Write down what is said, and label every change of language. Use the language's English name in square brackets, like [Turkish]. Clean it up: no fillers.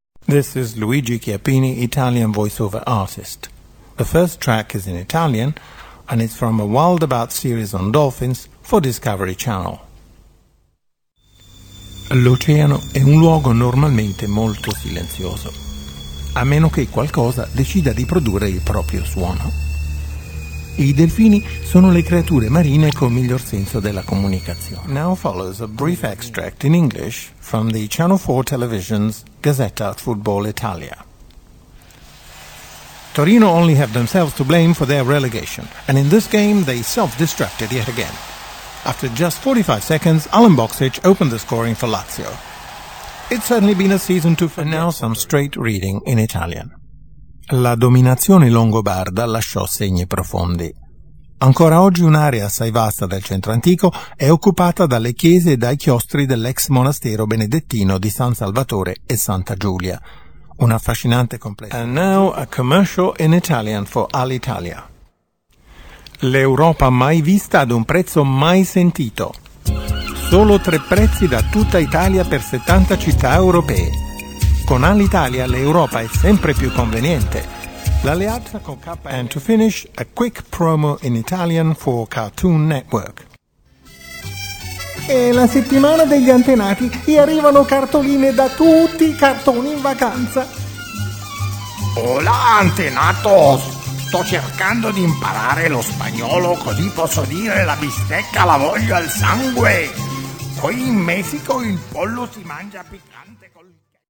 [English] This is Luigi Chiappini, Italian voiceover artist. The first track is in Italian, and it's from a Wild About series on dolphins for Discovery Channel. [Italian] L'oceano è un luogo normalmente molto silenzioso, a meno che qualcosa decida di produrre il proprio suono. I delfini sono le creature marine con miglior senso della comunicazione. [English] Now follows a brief extract in English from the Channel 4 Television's Gazzetta Football Italia. Torino only have themselves to blame for their relegation, and in this game they self-destructed yet again. After just 45 seconds, Alan Boxic opened the scoring for Lazio. It's certainly been a season to forget. And now some straight reading in Italian. [Italian] La dominazione longobarda lasciò segni profondi. Ancora oggi un'area assai vasta del centro antico è occupata dalle chiese e dai chiostri dell'ex monastero benedettino di San Salvatore e Santa Giulia. Un affascinante complesso. [English] And now a commercial in Italian for Alitalia. [Italian] L'Europa mai vista ad un prezzo mai sentito. Solo tre prezzi da tutta Italia per 70 città europee. Con Alitalia l'Europa è sempre più conveniente. L'alleanza con KPN. [English] And to finish, a quick promo in Italian for Cartoon Network. [Italian] È la settimana degli antenati e arrivano cartoline da tutti i cartoni in vacanza. [Spanish] Hola antenatos! [Italian] Sto cercando di imparare lo spagnolo così posso dire la bistecca la voglio al sangue. Qui in Messico il pollo si mangia piccante col...